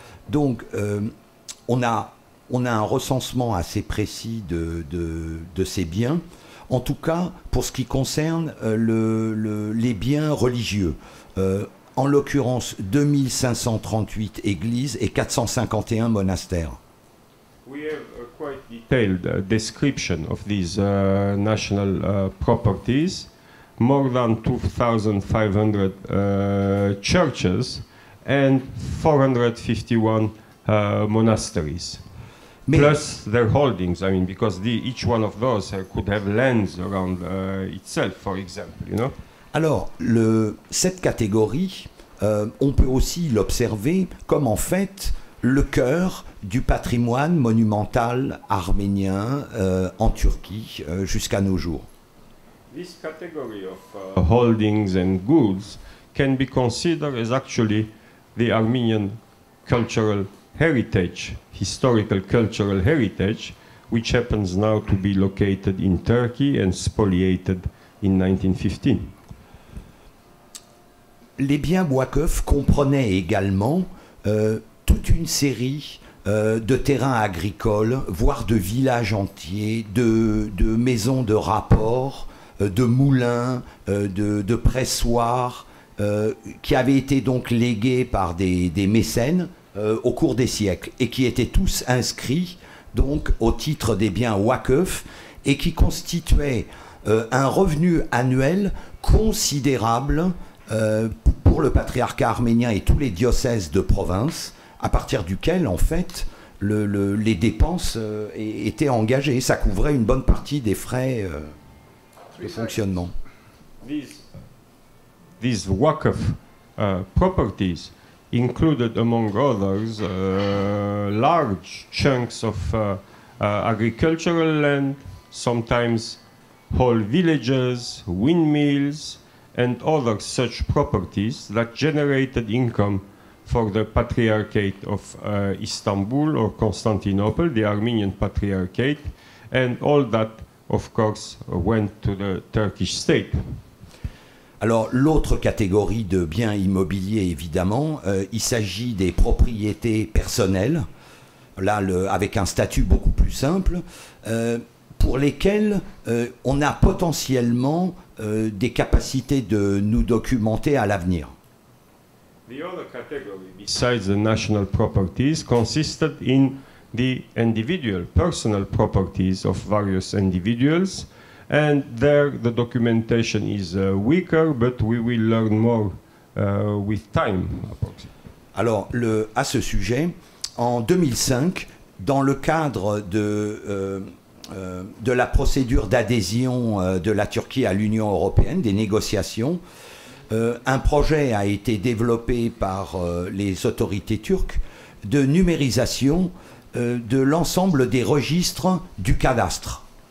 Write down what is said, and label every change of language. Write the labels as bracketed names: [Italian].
[French] Donc, on a un recensement assez précis de ces biens, en tout cas pour ce qui concerne les biens religieux. En l'occurrence, 2538 églises et 451 monastères. [English] We have a quite detailed description of these national properties. More than 2,500 churches and 451 monasteries. [French] Mais plus [English] their holdings, I mean, because each one of those could have lands around itself, for example, you know? [French] Alors, cette catégorie, on peut aussi l'observer comme en fait le cœur du patrimoine monumental arménien en Turquie jusqu'à nos jours. [English] This category of holdings and goods can be considered as actually the Armenian cultural heritage, historical cultural heritage, which happens now to be located in Turkey and spoliated in 1915. [French] les biens Boiscoeuf comprenaient également toute une série de terrains agricoles, voire de villages entiers, de maisons de rapport, de moulins, de pressoirs, qui avaient été donc légués par des mécènes au cours des siècles et qui étaient tous inscrits donc au titre des biens Boiscoeuf et qui constituaient un revenu annuel considérable pour le patriarcat arménien et tous les diocèses de province, à partir duquel, en fait, les dépenses étaient engagées. Ça couvrait une bonne partie des frais de fonctionnement. [English] These Boiscoeuf properties included, among others, large chunks of agricultural land, sometimes whole villages, windmills, and other such properties that generated income for the Patriarchate of Istanbul or Constantinople, the Armenian Patriarchate, and all that, of course, went to the Turkish state. [French] Alors, l'autre catégorie de biens immobiliers, évidemment, il s'agit des propriétés personnelles, là, avec un statut beaucoup plus simple, pour lesquels on a potentiellement des capacités de nous documenter à l'avenir. [English] The other category besides the national properties consisted in the individual personal properties of various individuals, and there the documentation is weaker, but we will learn more with time. [French] Alors, à ce sujet, en 2005, dans le cadre de la procédure d'adhésion de la Turquie à l'Union européenne, des négociations, un projet a été développé par les autorités turques de numérisation de l'ensemble des registres du cadastre.